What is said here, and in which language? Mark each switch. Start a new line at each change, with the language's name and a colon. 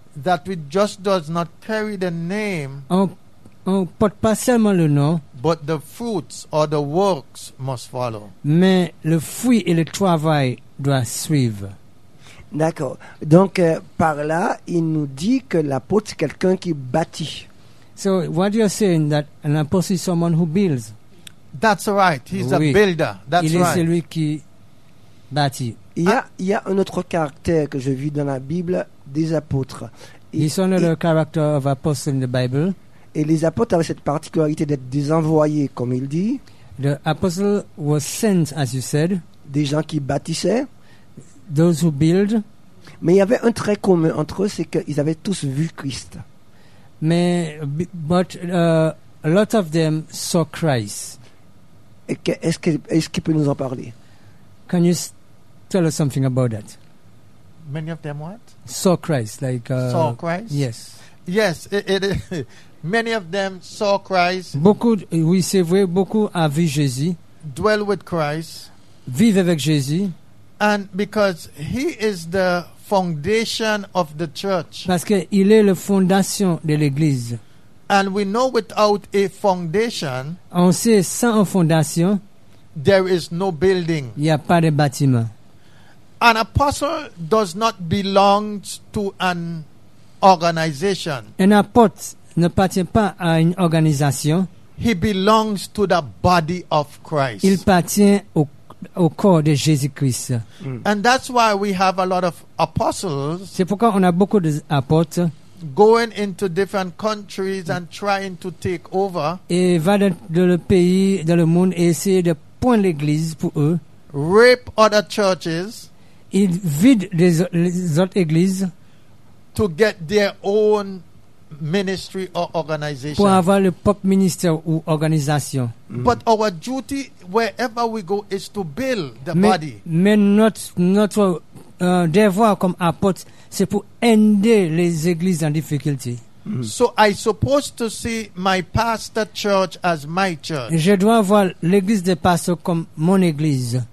English: That we just does not carry the name.
French: On porte pas seulement le nom.
English: But the fruits or the works must follow.
French: Mais le fruit et le travail doivent suivre. D'accord. Donc par là, il nous dit que l'apôtre c'est quelqu'un qui bâtit.
English: So what you're saying that an apostle is someone who builds. That's right. He's
French: oui.
English: a builder. That's
French: il
English: right.
French: Il est celui qui bâtit. Il y a un autre caractère que je vis dans la Bible des apôtres. Ils sont le caractère
English: of apostles in the Bible.
French: Et les apôtres avaient cette particularité d'être des envoyés, comme il dit.
English: The apostle was sent, as you said.
French: Des gens qui bâtissaient.
English: Those who build.
French: Mais il y avait un trait commun entre eux, c'est qu'ils avaient tous vu Christ.
English: But a lot of them saw Christ.
French: Est-ce qu'il peut nous en parler?
English: Can you tell us something about that? Many of them what? Saw Christ, like saw Christ. Yes. Yes. Many of them saw Christ.
French: Beaucoup, oui, c'est vrai. Beaucoup a vu Jésus.
English: Dwell with Christ.
French: Vive avec Jésus.
English: And because he is the foundation of the church.
French: Parce que il est la fondation de l'église.
English: And we know without a foundation,
French: on sait sans fondation,
English: there is no building.
French: Il y a pas de bâtiment.
English: An apostle does not belong to an organization.
French: Un apôtre ne appartient pas à une organisation.
English: He belongs to the body of Christ.
French: Il appartient au corps de Jésus-Christ. Mm.
English: And that's why we have a lot of apostles.
French: C'est pourquoi on a beaucoup d'apôtres.
English: Going into different countries and trying to take over.
French: Et va dans le pays, dans le monde, et essayer de prendre l'église pour eux.
English: Rape other churches.
French: Il vide les autres églises.
English: To get their own ministry or organization.
French: Pour avoir le propre ministère ou organisation. Mm.
English: But our duty, wherever we go, is to build the body.
French: Mais notre devoir comme apôtre, c'est pour aider les églises en difficulté. Mm.
English: So I supposed to see my pastor church as my church.
French: Je dois voir l'église des pasteurs comme mon église.